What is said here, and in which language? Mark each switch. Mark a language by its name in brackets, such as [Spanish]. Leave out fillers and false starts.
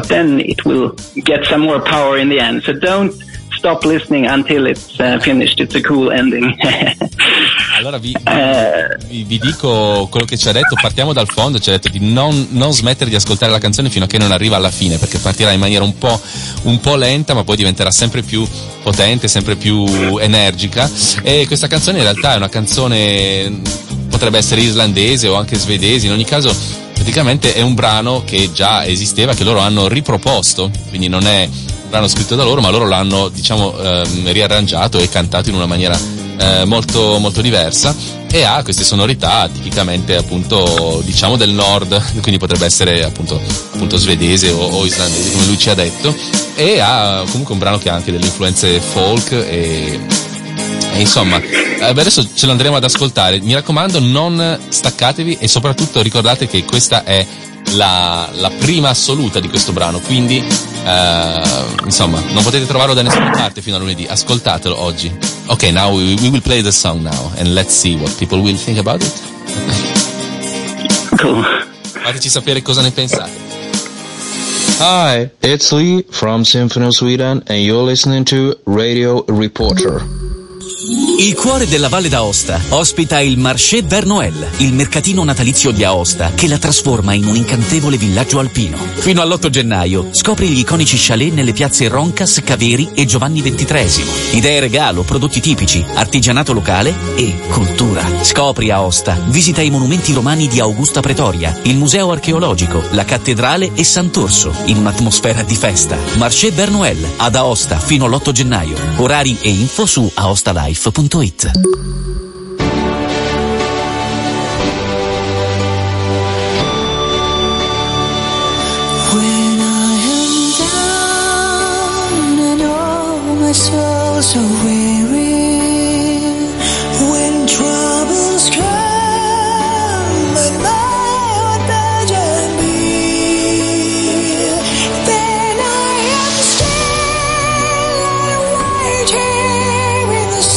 [English] but then it will get some more power in the end, so don't stop listening until it's finished. It's a cool ending. [Italian] Allora vi dico quello che ci ha detto. Partiamo dal fondo. Ci ha detto di non smettere di ascoltare la canzone fino a che non arriva alla fine, perché partirà in maniera un po' lenta, ma poi diventerà sempre più potente, sempre più energica. E questa canzone in realtà è una canzone, potrebbe essere islandese o anche svedese. In ogni caso, praticamente è un brano che già esisteva, che loro hanno riproposto, quindi non è l'hanno scritto da loro, ma loro l'hanno riarrangiato e cantato in una maniera molto molto diversa, e ha queste sonorità tipicamente appunto del nord, quindi potrebbe essere appunto svedese o islandese, come lui ci ha detto, e ha comunque un brano che ha anche delle influenze folk e insomma, adesso ce l'andremo ad ascoltare. Mi raccomando, non staccatevi, e soprattutto ricordate che questa è la prima assoluta di questo brano, quindi insomma, non potete trovarlo da nessuna parte fino a lunedì. Ascoltatelo oggi. [English] Okay, now we will play the song now and let's see what people will think about it. Cool. [Italian] Fateci sapere cosa ne pensate. [English] Hi, it's Lee from Symphony of Sweden and you're listening to Radio Reporter. [Italian] Il cuore della Valle d'Aosta ospita il Marché Vert Noël, il mercatino natalizio di Aosta che la trasforma in un incantevole villaggio alpino. Fino all'8 gennaio scopri gli iconici chalet nelle piazze Roncas, Caveri e Giovanni XXIII. Idee regalo, prodotti tipici, artigianato locale e cultura. Scopri Aosta, visita i monumenti romani di Augusta Pretoria, il museo archeologico, la cattedrale e Sant'Orso, in un'atmosfera di festa. Marché Vert Noël ad Aosta fino all'8 gennaio. Orari e info su aostalife.it. [English] When I am down and all my soul's so weary, when troubles come and my heart doesn't be, then I am still and waiting.